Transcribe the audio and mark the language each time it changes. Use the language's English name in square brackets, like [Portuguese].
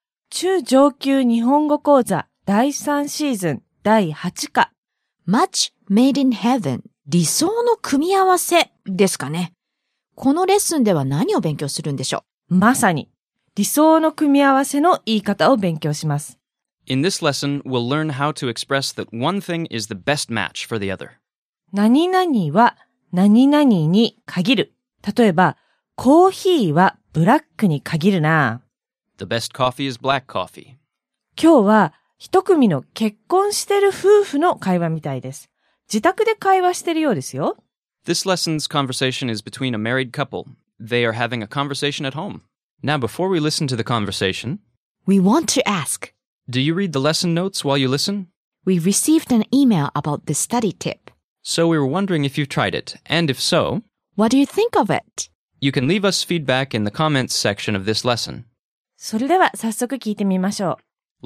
[Japanese] 中上級日本語講座第3シーズン第8課。 [English] Match Made in Heaven, [Japanese] 理想の組み合わせですかね。このレッスンでは何を勉強するんでしょう？まさに。理想の組み合わせの言い方を勉強します。 [English] In this lesson, we'll learn how to express that one thing is the best match for the other. [Japanese] 何々は何々に限る。例えば、コーヒーはブラックに限るな。 [English] The best coffee is black coffee. [Japanese] 今日は一組の結婚してる夫婦の会話みたいです。自宅で会話してるようですよ。 [English] This lesson's conversation is between a married couple. They are having a conversation at home. Now, before we listen to the conversation, we want to ask, do you read the lesson notes while you listen? We received an email about the study tip. So we were wondering if you tried it, and if so, what do you think of it? You can leave us feedback in the comments section of this lesson. [Japanese] それでは早速聞いてみましょう。